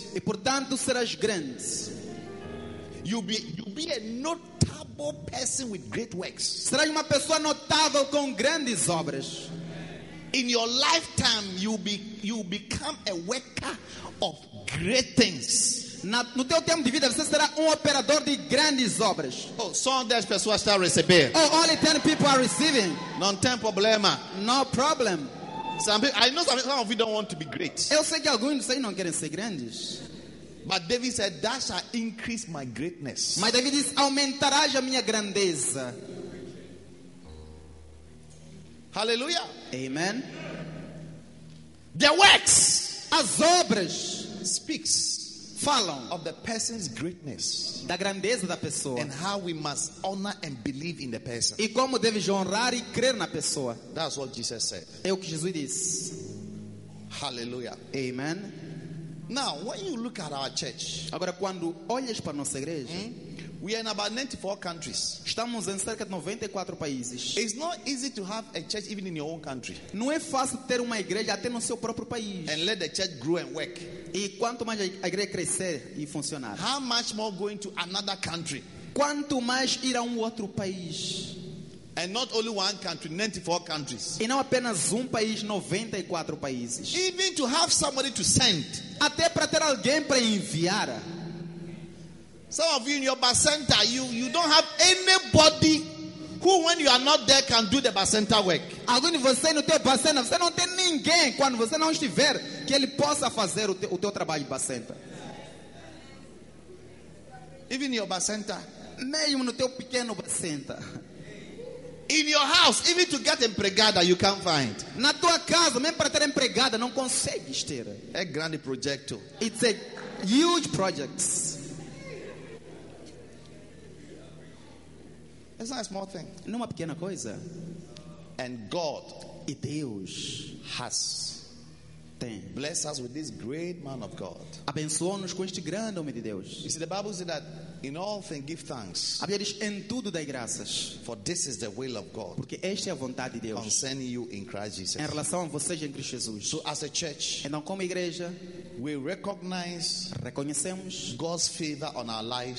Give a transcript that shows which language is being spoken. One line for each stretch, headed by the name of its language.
Portuguese: E portanto serás grande.
English: You'll be a notable person with great works.
Portuguese: Será uma pessoa notável com grandes obras.
English: In your lifetime you become a worker of great things.
Portuguese: No teu tempo de vida você será operador de grandes obras. Oh, só 10 pessoas estão a receber.
English: Oh, only 10 people are receiving.
Portuguese: Não tem problema.
English: No problem. Some of you don't want to be great.
Portuguese: Eu sei que alguns vocês não querem ser grandes.
English: But David said, "That shall increase my greatness."
Portuguese: Mas David diz, aumentará a minha grandeza. Hallelujah. Amen.
English: The works,
Portuguese: as obras,
English: speaks.
Portuguese: Falam
English: of the person's greatness,
Portuguese: da grandeza da pessoa,
English: and how we must honor and believe in the person.
Portuguese: E como deve honrar e crer na pessoa.
English: That's what Jesus said.
Portuguese: É o que Jesus disse. Hallelujah. Amen.
English: Now, when you look at our church,
Portuguese: agora quando olhas para a nossa igreja,
English: we are in about 94 countries.
Portuguese: Estamos em cerca de 94 países.
English: It's not easy to have a church even in your own country.
Portuguese: Não é fácil ter uma igreja até no seu próprio país.
English: And let the church grow and work.
Portuguese: E quanto mais a igreja crescer e funcionar.
English: How much more going to another country?
Portuguese: Quanto mais ir a outro país?
English: And not only one country, 94 countries.
Portuguese: E não apenas país, 94 países.
English: Even to have somebody to send.
Portuguese: Até para ter alguém para enviar.
English: Some of you in your bus center, you don't have anybody who, when you are not there, can do the bus center work.
Portuguese: Alguns de vocês no teu bus center, você não tem ninguém quando você não estiver que ele possa fazer o teu trabalho de bus center.
English: Even in your bus center,
Portuguese: mesmo no teu pequeno bus center.
English: In your house, even to get empregada, you can't find.
Portuguese: Na tua casa, mesmo para ter empregada, não consegues ter. É grande projeto.
English: It's a huge project. It's not a small thing.
Portuguese: Não é uma pequena coisa.
English: And God,
Portuguese: e Deus,
English: has
Portuguese: tem
English: blessed us with this great man of God.
Portuguese: Abençoou-nos com este grande homem de Deus.
English: You see, the Bible says that in all things give thanks.
Portuguese: A Bíblia diz em tudo dai graças.
English: For this is the will of God.
Portuguese: Porque esta é a vontade de Deus.
English: Concerning you in Christ Jesus.
Portuguese: Em relação a vocês em Cristo Jesus.
English: So as a church,
Portuguese: então como igreja,
English: we recognize,
Portuguese: reconhecemos
English: God's favor on our lives.